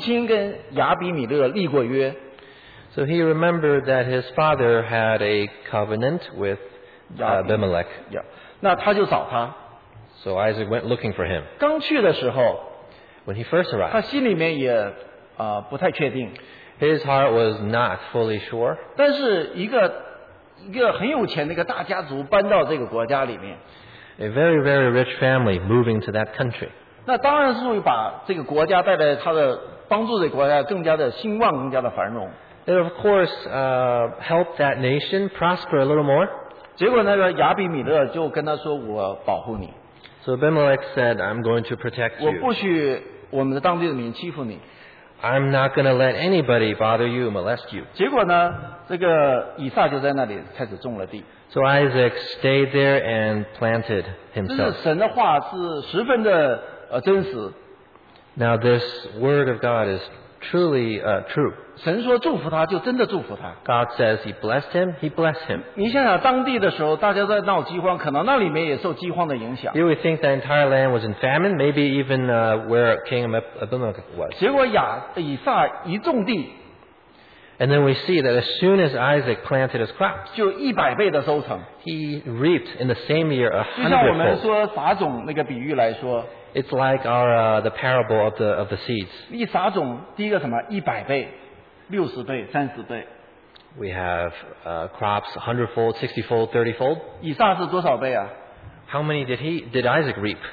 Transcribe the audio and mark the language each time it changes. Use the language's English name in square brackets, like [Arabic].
[Chinese] 那他就想到他父亲跟亚比米勒立过约。 [English] So he remembered that his father had a covenant with Abimelech. [Chinese] Yeah. 那他就找他。 [English] So Isaac went looking for him. [Chinese] 刚去的时候, [English] when he first arrived, [Chinese] 他心里面也, 不太确定, [English] his heart was not fully sure. [Chinese] 但是一个很有钱的一个大家族搬到这个国家里面, [English] a very, very rich family moving to that country. [Chinese] 那当然是会把这个国家带来他的帮助这个国家更加的兴旺更加的繁荣。 [English] It of course helped that nation prosper a little more. [Chinese] 结果那个亚比米勒就跟他说我保护你。 [English] So Abimelech said, I'm going to protect you. [Chinese] 我不许我们的当地的民欺负你。 [English] I'm not going to let anybody bother you, molest you. [Chinese] 结果呢,这个以撒就在那里开始种了地。 [English] So Isaac stayed there and planted himself. [Chinese] 这是神的话是十分的真实。 [English] Now this word of God is truly true. [Chinese] 神说祝福他就真的祝福他。 [English] God says he blessed him, he blessed him. [Chinese] 你想想当地的时候大家在闹饥荒，可能那里面也受饥荒的影响。 [English] You would think the entire land was in famine, maybe even where King Abimelech was. [Chinese] 结果以撒一种地， [English] and then we see that as soon as Isaac planted his crop, [Chinese] 就100倍的收成， [English] he reaped in the same year 100-fold。 [Chinese] 就像我们说撒种那个比喻来说， [English] it's like our the parable of the seeds. [Chinese] 一撒种，第一个什么？100倍、60倍、30倍。 [English] We have crops 100-fold, 60-fold, 30-fold. [Chinese] 以撒是多少倍啊？ [English] How many did he did Isaac reap?